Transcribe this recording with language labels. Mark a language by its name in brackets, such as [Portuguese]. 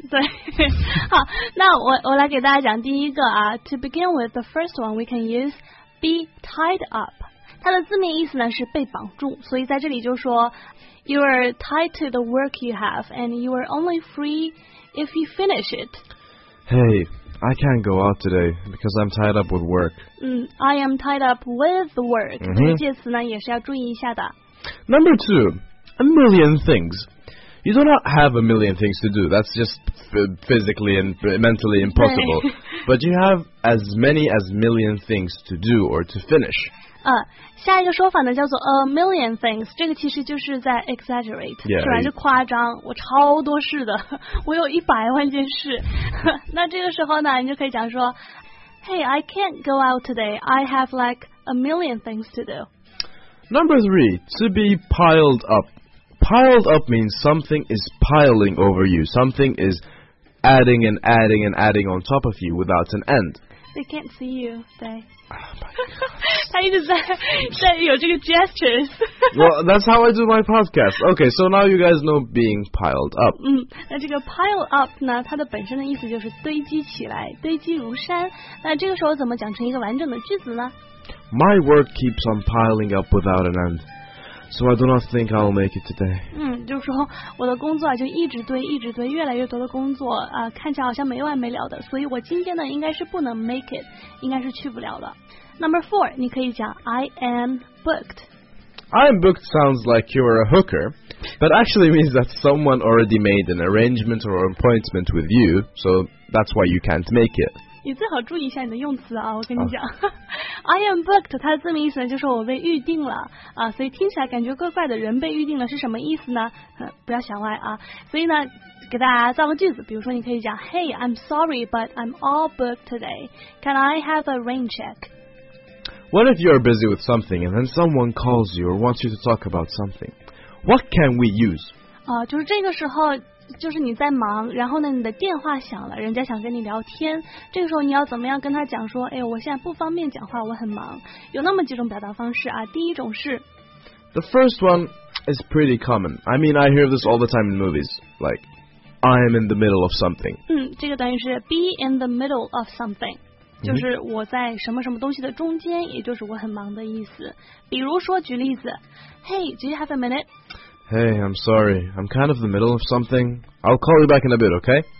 [Chinese] 对，好，那我来给大家讲第一个啊。 [English] To begin with, the first one, we can use be tied up. [Chinese] 它的字面意思呢是被绑住，所以在这里就说 [English] You are tied to the work you have, and you are only free if you finish it. Hey, I can't go out today because I'm tied up with work. I am tied up with work. [Chinese] 这个词呢也是要注意一下的。 [English] Number two, a million things. You do not have a million things to do. That's just physically and mentally impossible. But you have as many as million things to do or to finish. [Chinese] 下一个说法呢叫做 [English] a million things， [Chinese] 这个其实就是在 exaggerate， [English] yeah, [Chinese] 是吧？就夸张，我超多事的，我有一百万件事。那这个时候呢，你就可以讲说 ， [English] Hey， I can't go out today. I have like a million things to do. Number three, to be piled up. Piled up means something is piling over you. Something is adding and adding and adding on top of you without an end. They can't see you, they. Oh、my God. [Chinese] 他一直在有这个 gestures. [English] Well, that's how I do my podcast. Okay, so now you guys know being piled up. [Chinese] 那这个 pile up 呢，它的本身的意思就是堆积起来，堆积如山。那这个时候怎么讲成一个完整的句子呢？ [English] My work keeps on piling up without an end, so I do not think I'll make it today. [Chinese] 就是说我的工作就一直堆，越来越多的工作啊，看起来好像没完没了的，所以我今天呢应该是不能 [English] make it， [Chinese] 应该是去不了了。 [English] Number four, [Chinese] 你可以讲 [English] I am booked. I am booked sounds like you are a hooker, but actually means that someone already made an arrangement or an appointment with you, so that's why you can't make it. [Chinese] 你最好注意一下你的用词啊，我跟你讲、 [English] I am booked, [Chinese] 它的字面意思呢就是我被预定了啊，所以听起来感觉怪怪的，人被预定了是什么意思呢？不要想歪啊。所以呢给大家造个句子，比如说你可以讲 [English] Hey, I'm sorry, but I'm all booked today. Can I have a rain check? What if you are busy with something and then someone calls you or wants you to talk about something? What can we use? [Chinese] 就是这个时候就是你在忙，然后呢你的电话响了，人家想跟你聊天，这个时候你要怎么样跟他讲说，哎，我现在不方便讲话，我很忙。有那么几种表达方式啊，第一种是 [English] The first one, is pretty common. I mean, I hear this all the time in movies. Like, I am in the middle of something. [Chinese] 这个短语是 [English] be in the middle of something. [Chinese] 就是我在什么什么东西的中间，也就是我很忙的意思。比如说，举例子 [English] ，Hey, do you have a minute? Hey, I'm sorry, I'm kind of in the middle of something. I'll call you back in a bit, okay?